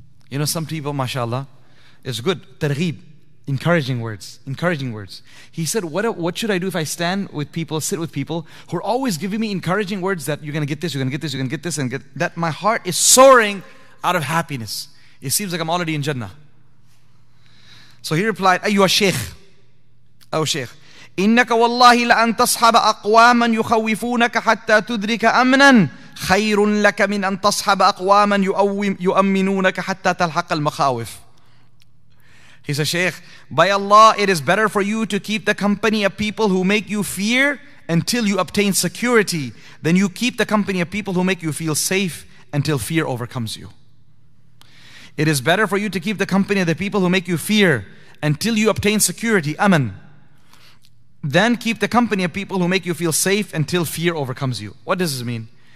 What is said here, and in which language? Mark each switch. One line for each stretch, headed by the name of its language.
English: You know, some people, mashallah, it's good. Targhib. Encouraging words. He said, what should I do if I stand with people, sit with people who are always giving me encouraging words that you're going to get this, you're going to get this, you're going to get this, and get that my heart is soaring out of happiness. It seems like I'm already in Jannah. So he replied, Ayyuha Shaykh. Oh Shaykh.
Arabic: إنك والله لأن تصحب أقواما يخوفونك حتى تدرك أمنا خير لك من أن تصحب أقواما يؤمنونك حتى تلحق المخاوف.
English: He says, Shaykh, by Allah, it is better for you to keep the company of people who make you fear until you obtain security than you keep the company of people who make you feel safe until fear overcomes you. It is better for you to keep the company of the people who make you fear until you obtain security, aman, then keep the company of people who make you feel safe until fear overcomes you. What does this mean?